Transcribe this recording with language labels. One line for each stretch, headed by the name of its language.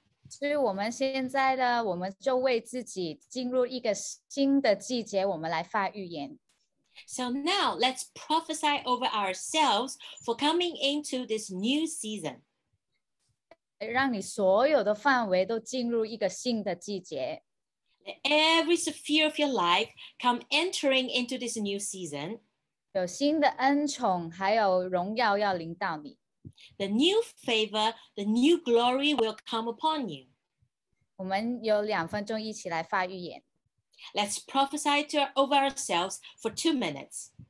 Chinese: 所以我们现在呢，我们就为自己进入一个新的季节，我们来发预言。
English: So now let's prophesy over ourselves for coming into this new season.
Chinese: 让你所有的范围都进入一个新的季节。
English: Let every sphere of your life come entering into this new season.
Chinese: 有新的恩宠还有荣耀要临到你。
English: The new favor, the new glory will come upon you.
Chinese: 我们有两分钟一起来发预言。
English: Let's prophesy to over ourselves for 2 minutes.